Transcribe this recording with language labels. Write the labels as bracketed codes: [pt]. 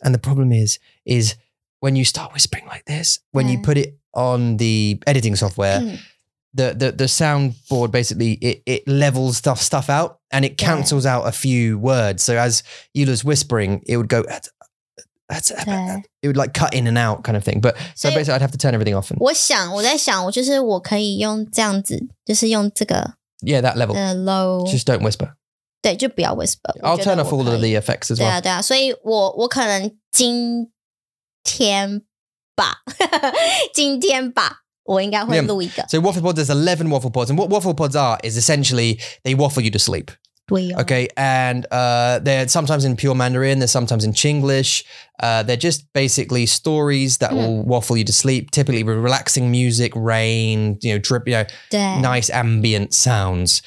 [en] And the problem is when you start whispering like this, when you put it on the editing software, the soundboard basically it levels stuff out. And it cancels out a few words. So as Eula's whispering, it would go, it would like cut in and out kind of thing. But so basically I'd have to turn everything off. [zh] 我在想,就是我可以用这样子,就是用这个。 [en] Yeah, that level. Low. Just don't whisper. [zh] 对,就不要 whisper. [en] I'll turn off all of the effects as well. [zh] 对啊,对啊,所以我可能今天吧,今天吧。我应该会录一个。 [en] So waffle pods, there's 11 waffle pods. And what waffle pods are is essentially, they waffle you to sleep. [zh] 对哦。 [en] Okay, and they're sometimes in pure Mandarin, they're sometimes in Chinglish. They're just basically stories that will waffle you to sleep, typically with relaxing music, rain, you know, drip, you know, nice ambient sounds.